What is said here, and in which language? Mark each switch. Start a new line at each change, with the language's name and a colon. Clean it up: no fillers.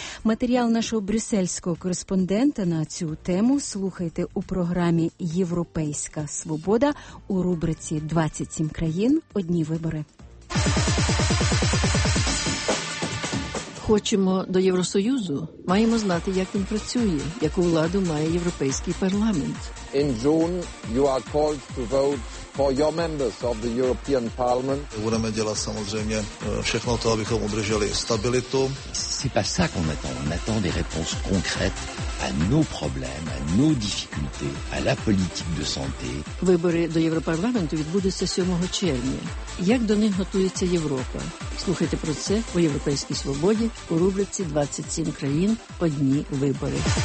Ukrainian: Матеріал нашого брюссельського кореспондента на цю тему слухайте у програмі «Європейська свобода» у рубриці «27 країн. Одні вибори». Хочемо до Євросоюзу? Маємо знати, як він працює, яку владу має Європейський парламент.
English: In June, you are called to vote for your members of the European Parliament.
Czech: Budeme dělat samozřejmě všechno to, abychom udrželi stabilitu.
French: C'est pas ça qu'on attend. On attend des réponses concrètes à nos problèmes, à nos difficultés, à la politique de santé.
Ukrainian: Вибори до Європарламенту відбудуться 7 червня. Як до них готується Європа? Слухайте про це у Європейській свободі у рубриці «27 країн. Одні вибори».